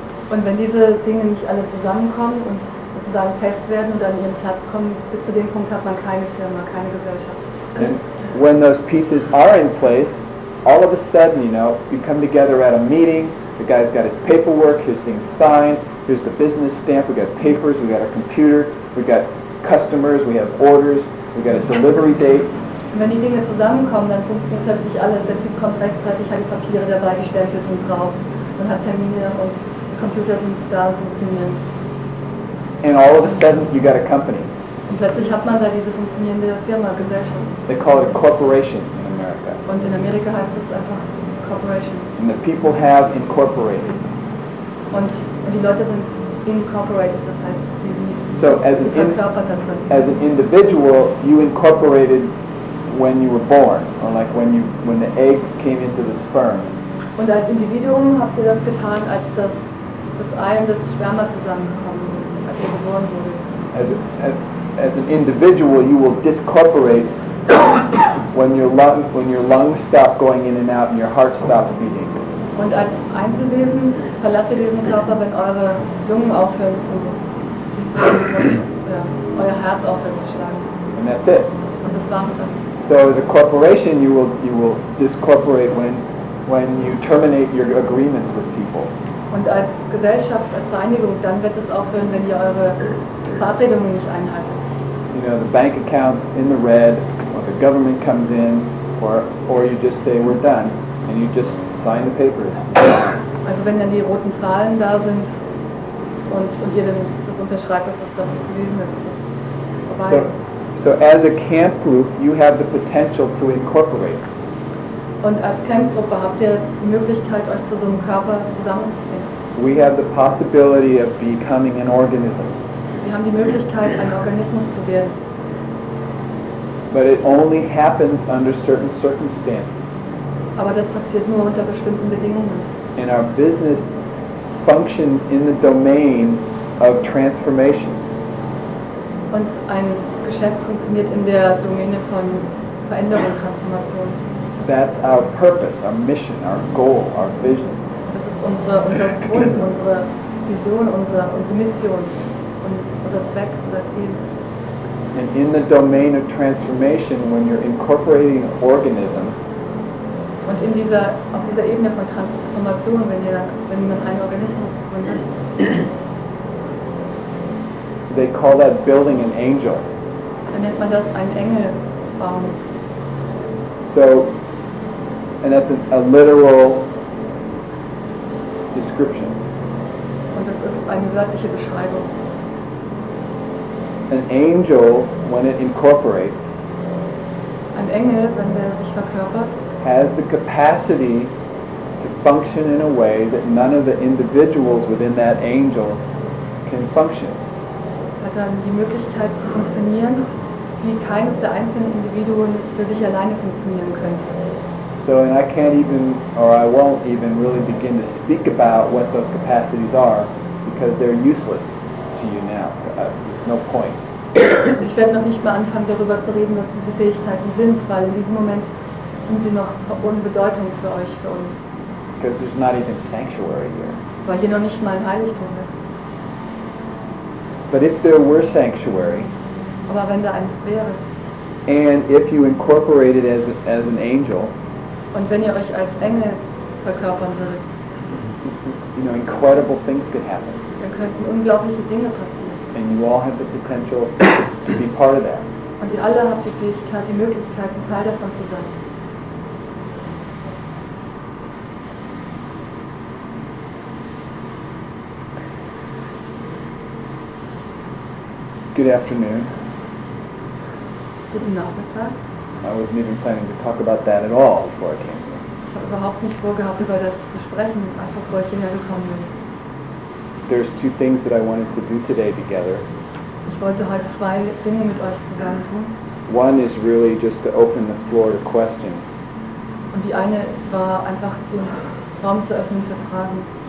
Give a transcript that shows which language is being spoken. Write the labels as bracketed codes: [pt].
[de] Und wenn diese Dinge nicht alle zusammenkommen und sozusagen fest werden und an ihren Platz kommen, bis zu dem Punkt hat man keine Firma, keine Gesellschaft. [en] When those pieces are in place, all of a sudden, you know, you come together at a meeting, the guy's got his paperwork, his thing's signed, here's the business stamp, we've got papers, we've got a computer, we've got customers, we have orders, we've got a delivery date. [de] Wenn die Dinge zusammenkommen, dann funktioniert plötzlich alles. Der Typ kommt rechtzeitig, hat die Papiere dabei, die Stempel sind drauf, man hat Termine und die Computer sind da, funktionieren. [en] And all of a sudden, you got a company. [de] Und plötzlich hat man da diese funktionierende Firma, Gesellschaft. [en] They call it a corporation in America. [de] Und in Amerika heißt es einfach corporation. [en] And the people have incorporated. [de] Und die Leute sind incorporated, das heißt, sie [en] As an individual, you incorporated when you were born, or like when the egg came into the sperm. [de] Und als Individuum habt ihr das getan, als das Ei und das Sperma zusammengekommen sind, als ihr geboren wurde. [en] As an individual, you will discorporate when your lungs stop going in and out and your heart stops beating. [de] Und als Einzelwesen verlasst ihr diesen Körper, wenn eure Lungen aufhören zu schlagen, euer Herz aufhört zu schlagen. [en] And that's it. [de] Und das war's dann. [en] So as a corporation, you will discorporate when you terminate your agreements with people. [de] Und als Gesellschaft, als Vereinigung, dann wird es aufhören, wenn ihr eure Verabredungen nicht einhaltet. [en] You know, the bank account's in the red, or the government comes in, or you just say, we're done, and you just sign the papers. [de] Also wenn dann die roten Zahlen da sind, und ihr dann das unterschreibt, dass das gewesen ist, vorbei. [en] So as a camp group, you have the potential to incorporate. [de] Und als Campgruppe habt ihr die Möglichkeit, euch zu so einem Körper zusammenzubringen. [en] We have the possibility of becoming an organism. [de] Wir haben die Möglichkeit, ein Organismus zu werden. [en] But it only happens under certain circumstances. [de] Aber das passiert nur unter bestimmten Bedingungen. [en] And our business functions in the domain of transformation. [de] Und ein Geschäft funktioniert in der Domäne von Veränderung, Transformation. [en] That's our purpose, our mission, our goal, our vision. [de] Das ist unser Grund, unsere Vision, unsere Mission und unser Zweck, unser Ziel. [en] And in the domain of transformation, when you're incorporating an organism, [de] und in dieser, auf dieser Ebene von Transformation, wenn man einen Organismus gründet, [en] they call that building an angel. [de] Dann nennt man das einen Engel bauen. [en] So, and that's a literal description. [de] Und das ist eine wörtliche Beschreibung. [en] An angel, when it incorporates, [de] ein Engel, wenn der sich verkörpert, [en] has the capacity to function in a way that none of the individuals within that angel can function. [de] Hat dann die Möglichkeit zu funktionieren, wie keines der einzelnen Individuen für sich alleine funktionieren könnte. [en] So, and I can't even, or I won't even really begin to speak about what those capacities are, because they're useless to you now. No point. [de] Ich werde noch nicht mal anfangen, darüber zu reden, was diese Fähigkeiten sind, weil in diesem Moment sind sie noch ohne Bedeutung für euch, für uns. [en] Because there's not even sanctuary here. [de] Weil hier noch nicht mal ein Heiligtum ist. [en] But if there were sanctuary, [de] aber wenn da eins wäre, [en] and if you incorporated as an angel, [de] und wenn ihr euch als Engel verkörpern würdet, [en] you know, incredible things could happen. [de] Dann könnten unglaubliche Dinge passieren. [en] And you all have the potential to be part of that. [de] Und ihr alle habt die Fähigkeit, die Möglichkeit, ein Teil davon zu sein. [en] Good afternoon. [de] Guten Nachmittag. [en] I wasn't even planning to talk about that at all before I came here. [de] Ich habe überhaupt nicht vorgehabt, über das zu sprechen, einfach bevor ich hierher gekommen bin. [en] There's two things that I wanted to do today together. [de] Ich wollte heute zwei Dinge mit euch zusammen tun. [en] One is really just to open the floor to questions. [de] Und die eine war einfach den Raum zu öffnen für Fragen.